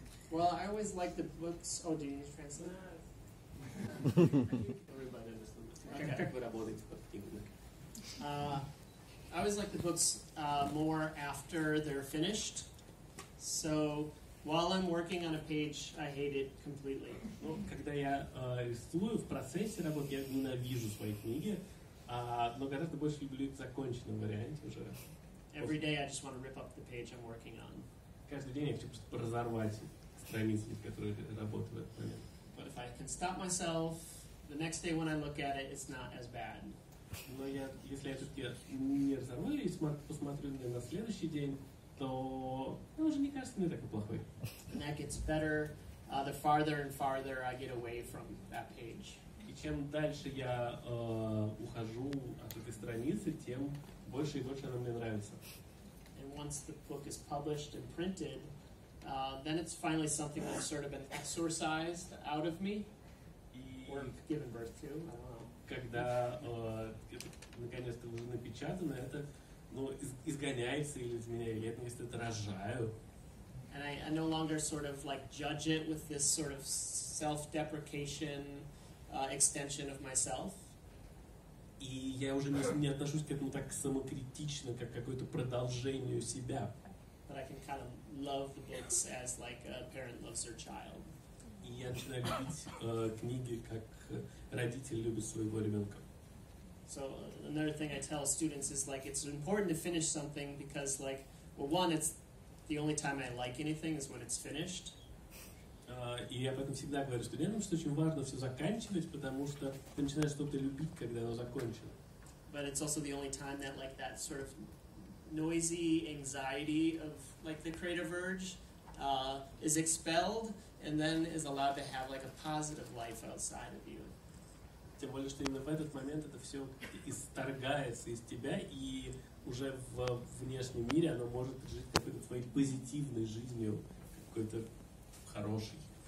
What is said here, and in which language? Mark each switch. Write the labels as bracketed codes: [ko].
[en] Well, I always like the books. Oh, do you need to translate? Everybody understands. Okay. I always like the books more after they're finished. So while I'm working on a page, I hate it completely. [ru] Ну, когда я рисую в процессе работы, я ненавижу свои книги, но гораздо больше люблю их в законченном варианте уже. [en] Every day I just want to rip up the page I'm working on. [ru] Каждый день я хочу просто разорвать страницы, в которых работаю в этот момент. [en] But if I can stop myself, the next day when I look at it, it's not as bad. [ru] Но я, если я все-таки не разорву и посмотрю на следующий день, то уже не кажется мне такой плохой. [en] And that gets better the farther and farther I get away from that page. [ru] И чем дальше я ухожу от этой страницы, тем больше и больше она мне нравится. [en] And once the book is published and printed, then it's finally something that's sort of been exorcised out of me, or given birth to, I don't know. [ru] Когда это наконец-то уже напечатано, это ну, изгоняется или из меня, или я, если это рожаю. [en] And I no longer sort of like judge it with this sort of self-deprecation extension of myself. [ru] И я уже не отношусь к этому так самокритично, как к какое-то продолжению себя. [en] But I can kind of love the books as like a parent loves her child. [ru] И я начинаю любить книги, как родитель любит своего ребенка. [en] So another thing I tell students is like it's important to finish something because like well one it's the only time I like anything is when it's finished. [ru] И я поэтому всегда говорю студентам, что очень важно все заканчивать, потому что ты начинаешь что-то любить, когда оно закончено. [en] but it's also the only time that like that sort of noisy anxiety of like the creative urge is expelled and then is allowed to have like a positive life outside of you. [ru] Тем более, что именно в этот момент это все исторгается из тебя, и уже в внешнем мире оно может жить какой-то твоей позитивной жизнью, какой-то хорошей.